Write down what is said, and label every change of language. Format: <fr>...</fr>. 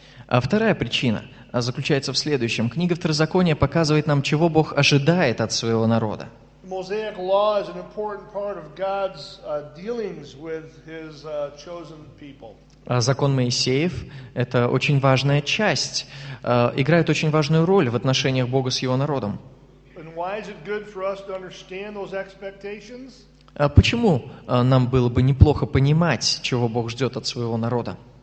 <ru>А вторая причина заключается в следующем. Книга Второзакония показывает нам, чего Бог ожидает от своего народа.</ru> <en>Mosaic law is an important part of God's dealings with His chosen people.</en> <ru>А закон Моисеев — это очень важная часть, играет очень важную роль в отношениях Бога с Его народом.</ru> <en>And why is it good for us to understand those expectations?</en> <ru>Почему нам было бы неплохо понимать, чего Бог ждет от своего народа?</ru>